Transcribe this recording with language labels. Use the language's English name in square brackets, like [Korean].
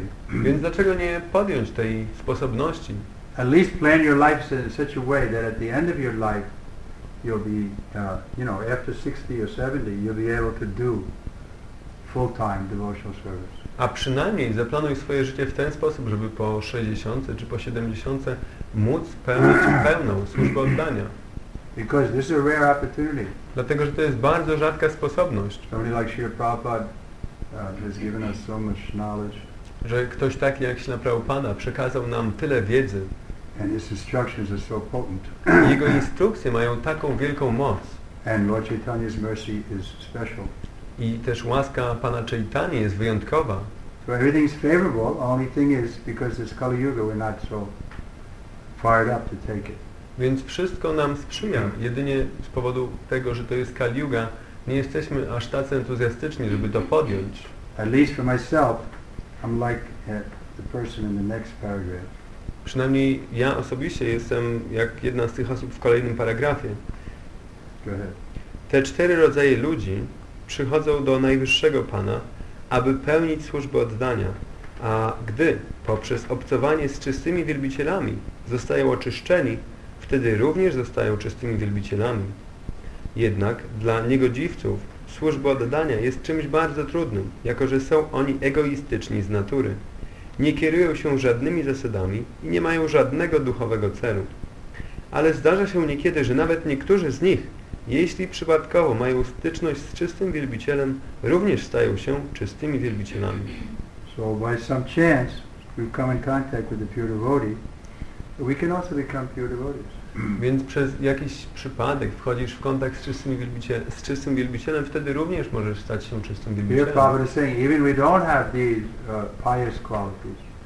[Polish] Więc dlaczego nie podjąć tej sposobności? [English] At least plan your life in such a way that at the end of your life you'll be, you know, after 60 or 70 you'll be able to do full-time devotional service. [Polish] A przynajmniej zaplanuj swoje życie w ten sposób, żeby po 60 czy po 70 móc pełnić pełną służbę oddania. [English] Because this is a rare opportunity. [Polish] Dlatego, że to jest bardzo rzadka sposobność. [English] Somebody like Srila Prabhupada has given us so much knowledge. [Polish] Że ktoś taki jak Śrila Prabhupada przekazał nam tyle wiedzy. [English] And his instructions are so potent. [Polish] Jego instrukcje mają taką wielką moc. [English] And Lord Chaitanya's mercy is special. [Polish] I też łaska Pana Chaitany jest wyjątkowa. [English] So everything's favorable, only thing is because it's Kali Yuga we're not so fired up to take it. [Polish] Więc wszystko nam sprzyja, jedynie z powodu tego, że to jest Kali Yuga, nie jesteśmy aż tacy entuzjastyczni, żeby to podjąć. [English] At least for myself, I'm like the person in the next paragraph. [Polish] Przynajmniej ja osobiście jestem jak jedna z tych osób w kolejnym paragrafie. [English] Go ahead. [Polish] Te cztery rodzaje ludzi przychodzą do Najwyższego Pana, aby pełnić służbę oddania, a gdy poprzez obcowanie z czystymi wielbicielami zostają oczyszczeni, wtedy również zostają czystymi wielbicielami. Jednak dla niegodziwców służba oddania jest czymś bardzo trudnym, jako że są oni egoistyczni z natury. Nie kierują się żadnymi zasadami i nie mają żadnego duchowego celu. Ale zdarza się niekiedy, że nawet niektórzy z nich, jeśli przypadkowo mają styczność z czystym wielbicielem, również stają się czystymi wielbicielami. [English] So by some chance we come in contact with the pure devotee, we can also become pure devotees. [Polish] Więc przez jakiś przypadek wchodzisz w kontakt z czystym wielbicielem, wtedy również możesz stać się czystym wielbicielem. [English] Here Prabhupada is saying, even we don't have these pious qualities.